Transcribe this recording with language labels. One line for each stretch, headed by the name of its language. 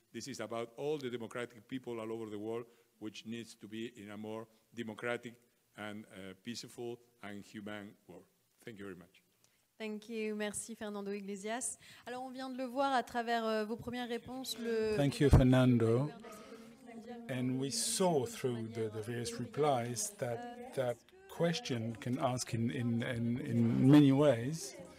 English: This is about all the democratic people all over the world, which needs to be in a more democratic and peaceful and human world. Thank you very much. Thank you, merci Fernando Iglesias.
French: Alors on vient de le voir à travers vos premières réponses.
English: Thank you, Fernando. And we saw through the various replies that that question can ask in many ways.